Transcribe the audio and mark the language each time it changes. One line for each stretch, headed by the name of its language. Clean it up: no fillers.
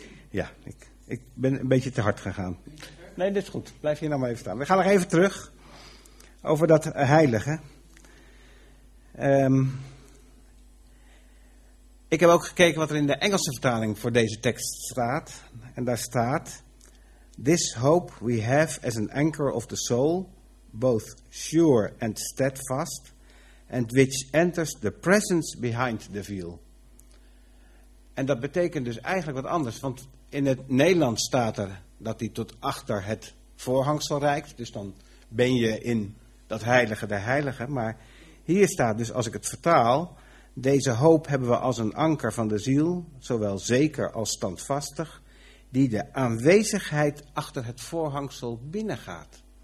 Dutch: Ja, ik ben een beetje te hard gegaan. Nee, dit is goed. Blijf hier nou maar even staan. We gaan nog even terug over dat heilige. Ik heb ook gekeken wat er in de Engelse vertaling voor deze tekst staat. En daar staat:
English: This hope we have as an anchor of the soul, both sure and steadfast, and which enters the presence behind the veil.
Dutch: En dat betekent dus eigenlijk wat anders, want in het Nederlands staat er dat hij tot achter het voorhangsel reikt, dus dan ben je in dat heilige der heiligen, maar hier staat dus, als ik het vertaal, deze hoop hebben we als een anker van de ziel, zowel zeker als standvastig, die de aanwezigheid achter het voorhangsel binnengaat.